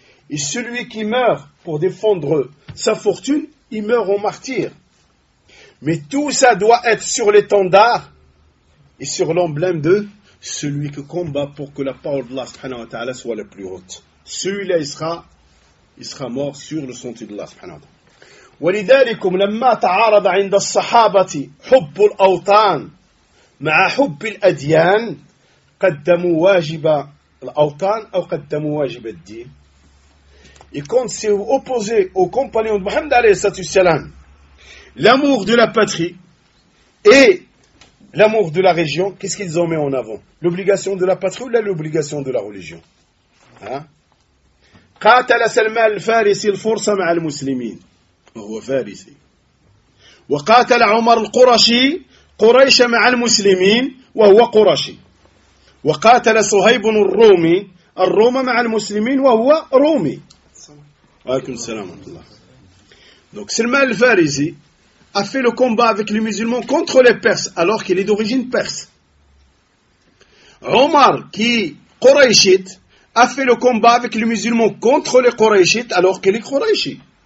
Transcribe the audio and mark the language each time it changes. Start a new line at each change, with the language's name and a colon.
French: Et celui qui meurt pour défendre sa fortune, il meurt en martyr. Mais tout ça doit être sur l'étendard et sur l'emblème de celui qui combat pour que la parole d'Allah subhanahu wa ta'ala soit la plus haute. Celui-là, il sera mort sur le sentier d'Allah subhanahu wa ta'ala.
Arabic: وَلِذَلِكُمْ لَمَّا تَعَارَضَ عِنْدَ الصَّحَابَةِ حُبُّ الْأَوْطَانِ مع حب الأديان قدموا واجب الأوطان أو قدموا واجب الدين.
French: Et quand c'est opposé aux compagnons de Mohammed
Arabic: عليه الصلاة والسلام,
French: l'amour de la patrie et l'amour de la région, qu'est-ce qu'ils ont mis en avant? L'obligation de la patrie ou là l'obligation de la religion?
Arabic: قاتل سلمان الفارسي الفرس مع المسلمين. وهو فارسي. وقاتل عمر القرشي قريش مع المسلمين وهو قرشي. وقاتل صهيب الرومي الروم مع المسلمين وهو رومي. وعليكم السلام ورحمة الله.
French: Donc Salman al-Farisi a fait le combat avec les musulmans contre les Perses alors qu'il est d'origine perse. Omar qui Quraishite a fait le combat avec les musulmans contre les Quraishites alors qu'il est Quraishi.